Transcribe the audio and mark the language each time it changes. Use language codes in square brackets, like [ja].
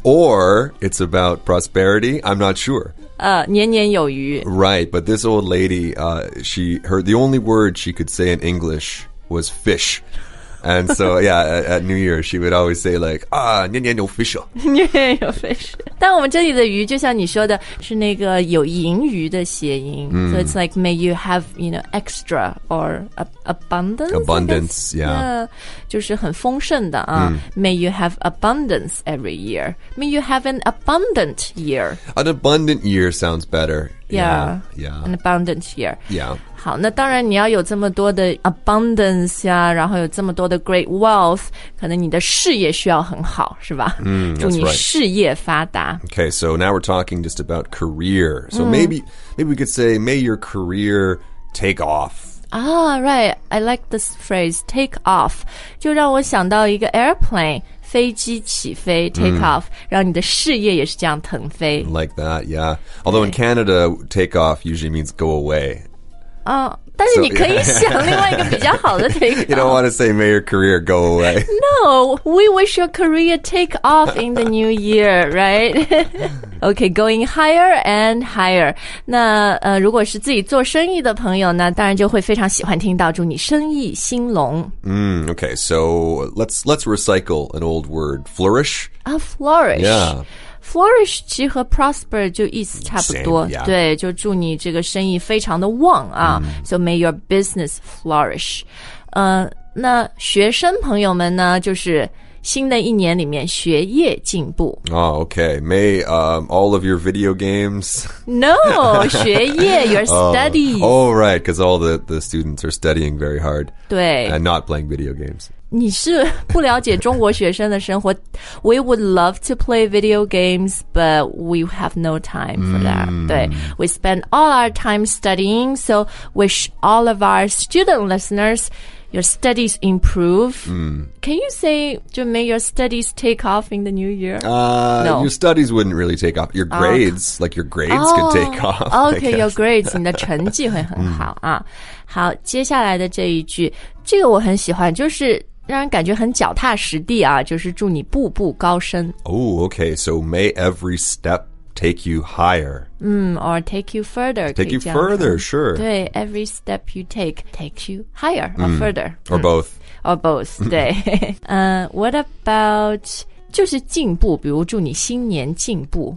[en] or it's about prosperity. I'm not sure. [zh] 年年有余。 [en] Right, but this old lady, she heard the only word she could say in English was fish, and so yeah, at New Year she would always say like, [zh] 年年有 [en] fish. [zh] 年年有 fish. 但我们这里的鱼就像你说的是那个有盈余的谐音、 mm. [en] So it's like may you have, you know, extra or abundance. Abundance, yeah. Yeah, [zh] 就是很丰盛的啊、 [en] mm. May you have abundance every year. May you have an abundant year. An abundant year sounds better. Yeah, yeah. An abundant year. Yeah. [zh] 好，那当然你要有这么多的 abundance 啊，然后有这么多的 [en] great wealth, [zh] 可能你的事业需要很好，是吧？ [en] Mm, that's right. [zh] 祝你事业发达。 [en] Okay, so now we're talking just about career. So、mm. maybe we could say, may your career take off. Ah, right. I like this phrase, take off. [zh] 就让我想到一个 [en] airplane, [zh] 飞机起飞 [en] take、mm. [zh] off, 让你的事业也是这样腾飞。 [en] Like that, yeah. Although in Canada, take off usually means go away. [zh] Oh. 但是你可以想另外一个比较好的 [en] take off. You don't want to say may your career go away. No, we wish your career take off in the new year, right? Okay, going higher and higher. [zh] 那如果是自己做生意的朋友呢，当然就会非常喜欢听到祝你生意兴隆。 [en] Okay, so let's recycle an old word, flourish. Flourish. Yeah. [zh] Flourish 其实和 prosper 就意思差不多 [en] Same,、yeah. [zh] 对就祝你这个生意非常的旺啊、mm. [en] So may your business flourish [zh] 那学生朋友们呢就是新的一年里面学业进步。 [en] Oh, okay. May, all of your video games? No, 学业, your studies. Oh, right, because all the students are studying very hard. [zh] 对。 [en] And not playing video games. [zh] 你是不了解中国学生的生活。 [en] We would love to play video games, but we have no time for that. [zh] 对。 [en] We spend all our time studying, so wish all of our student listeners... Your studies improve. Can you say, may your studies take off in the new year? No. Your studies wouldn't really take off. Your grades, like your grades could take off. Okay, your grades, [zh] 你的成绩会很好啊。好，接下来的这一句，这个我很喜欢，就是让人感觉很脚踏实地啊，就是祝你步步高升。 [en] Oh, okay, so may every step take you higher. Or take you further. Take you further, sure. 对, every step you take takes you higher or further. Or both. Or both, [zh] 对。 [en] What about, [zh] 就是进步,比如祝你新年进步。